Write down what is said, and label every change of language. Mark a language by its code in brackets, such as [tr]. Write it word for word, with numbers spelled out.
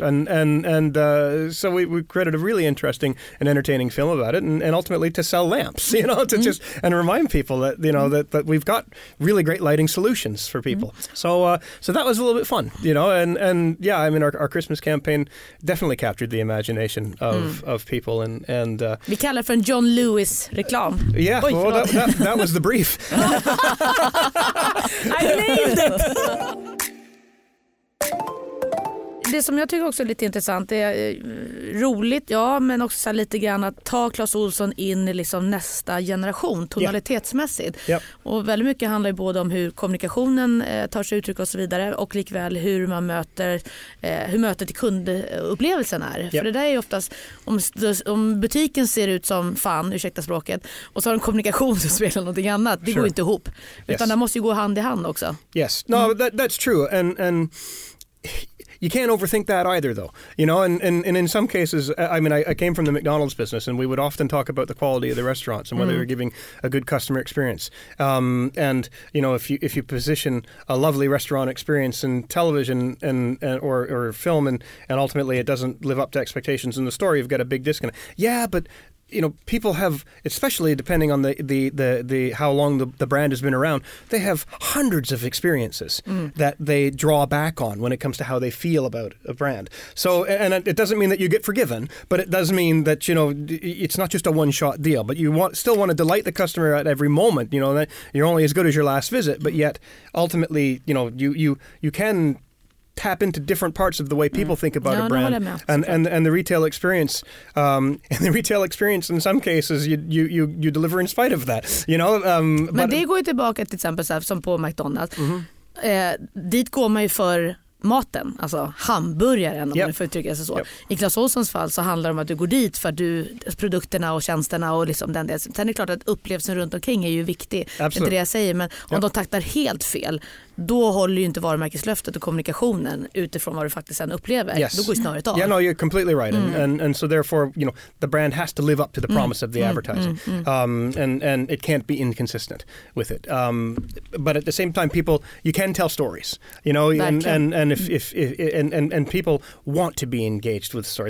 [en] And and, and uh, so we, we created a really interesting and entertaining film about it, and, and ultimately to sell lamps, you know, to mm-hmm. just, and remind people that, you know, mm-hmm. that, that we've got really great lighting solutions for people. Mm-hmm. So uh, so that was a little bit fun, you know, and, and yeah, I mean, our, our Christmas campaign definitely captured the imagination of, mm. of people and And, uh, [sv] vi kallar det för en John Lewis-reklam. [en] Yeah, Oj, well, that, that, that was the brief. I nailed it! [sv] Det som jag tycker också är lite intressant är roligt, ja, men också så lite grann att ta Clas Ohlson in i liksom nästa generation tonalitetsmässigt. [en] Yep. [sv] Och väldigt mycket handlar ju både om hur kommunikationen eh, tar sig uttryck och så vidare, och likväl hur man möter eh, hur mötet i kundupplevelsen är. Yep. För det där är ju oftast om, om butiken ser ut som fan, ursäkta språket, och så har en kommunikation som spelar någonting annat, det sure. går inte ihop. Utan yes. det måste ju gå hand i hand också. [en] Yes, no, that, that's true. And, and... You can't overthink that either, though. You know, and, and, and in some cases, I mean, I, I came from the McDonald's business, and we would often talk about the quality of the restaurants and whether mm. you're giving a good customer experience. Um, and you know, if you if you position a lovely restaurant experience in television and, and or, or film, and, and ultimately it doesn't live up to expectations in the store, you've got a big disconnect. Yeah, but. You know, people have, especially depending on the, the, the, the how long the, the brand has been around, they have hundreds of experiences mm. that they draw back on when it comes to how they feel about a brand. So, and it doesn't mean that you get forgiven, but it does mean that, you know, it's not just a one-shot deal, but you want still want to delight the customer at every moment. You know, that you're only as good as your last visit, but yet ultimately, you know, you, you, you can... tap into different parts of the way people mm. think about no, a brand, no, and, and and the retail experience, um, and the retail experience in some cases you you you, you deliver in spite of that, you know. Um, [sv] Men det går ju tillbaka till exempel så här, som på McDonald's, mm-hmm. eh, dit går man ju för maten, alltså hamburgaren om yep. man får uttrycka sig så. Yep. I Clas Ohlsons fall så handlar det om att du går dit för du, produkterna och tjänsterna och liksom den delen. Sen är det klart att upplevelsen runt omkring är ju viktig. Det är det jag säger, men om yep. de taktar helt fel, då håller ju inte varumärkeslöftet och kommunikationen utifrån vad du faktiskt sen upplever. [en] Yes. [sv] Då går ju snarare av. [en] Yeah, no, you're completely right. Mm. And, and, and so therefore, you know, the brand has to live up to the promise mm. of the mm. advertising. Mm. Um, and, and it can't be inconsistent with it. Um, but at the same time, people, you can tell stories, you know, and, and, and If, if, if, and, and, and people want to be engaged with the story.